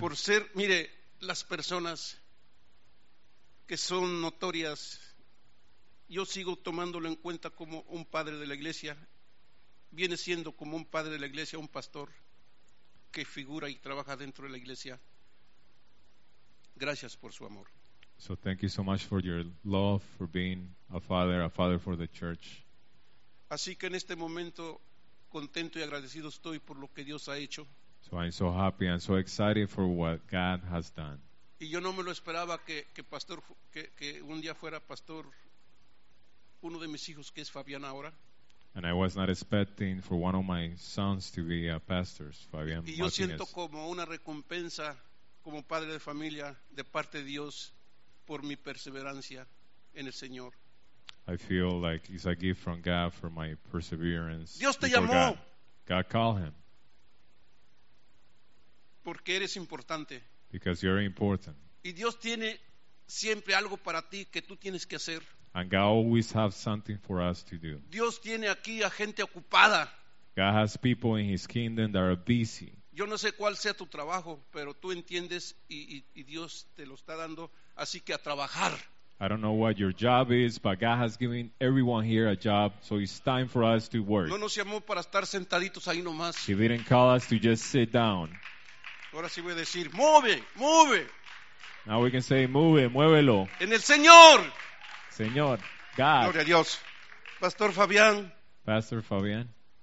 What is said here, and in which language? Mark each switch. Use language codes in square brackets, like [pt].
[es] Por ser, mire, las personas que son notorias, yo sigo tomándolo en cuenta como un padre de la iglesia. Viene siendo como un padre de la iglesia, un pastor que figura y trabaja dentro de la iglesia. Gracias por su amor. [en] So thank you so much for your love, for being a father for the church. [es] Así que en este momento contento y agradecido estoy por lo que Dios ha hecho. [en] So I'm so happy and so excited for what God has done. [es] Y yo no me lo esperaba que pastor que un día fuera pastor uno de mis hijos que es Fabián ahora. [en] And I was not expecting for one of my sons to be a pastor, Fabián Martínez. [es] Y yo siento como una recompensa como padre de familia de parte de Dios por mi perseverancia en el Señor. [en] I feel like it's a gift from God for my perseverance. [es] Dios te llamó. [en] God called him. [es] Porque eres importante. [en] Because you're important. [es] Y Dios tiene siempre algo para ti que tú tienes que hacer. [en] And God always has something for us to do. [es] Dios tiene aquí a gente ocupada. [en] God has people in his kingdom that are busy. [es] Yo no sé cuál sea tu trabajo, pero tú entiendes y Dios te lo está dando, así que a trabajar. [en] I don't know what your job is, but God has given everyone here a job, so it's time for us to work. [es] No nos llamó para estar sentaditos ahí nomás. [en] He didn't call us to just sit down. [es] Ahora sí voy a decir, mueve, mueve. [en] Now we can say, [es] mueve, muévelo. En el Señor. [en] Señor, God. [es] Gloria a Dios. Pastor Fabián. Pastor Fabián.